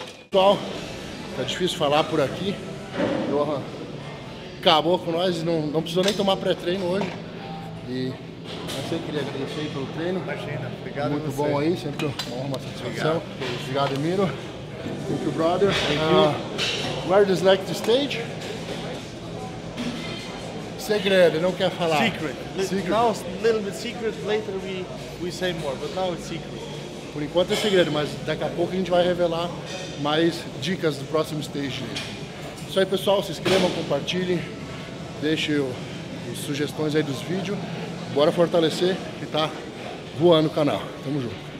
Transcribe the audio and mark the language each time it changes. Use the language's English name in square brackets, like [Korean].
[Portuguese] Pessoal, tá difícil falar por aqui. Acabou com nós, não precisou nem tomar pré-treino hoje. Mas eu queria agradecer aí pelo treino. Imagina, obrigado. Muito a você. Bom aí, sempre uma satisfação. Obrigado, Emiro. [English] Thank you, brother. Thank you. Where do you like the stage? [Portuguese] Segredo, não quer falar. [English] Secret. Now it's a little bit secret, later we say more, but now it's secret. [Portuguese] Por enquanto é segredo, mas daqui a pouco a gente vai revelar mais dicas do próximo stage. Isso aí, pessoal, se inscrevam, compartilhem, deixem as sugestões aí dos vídeos. Bora fortalecer que tá voando o canal. Tamo junto.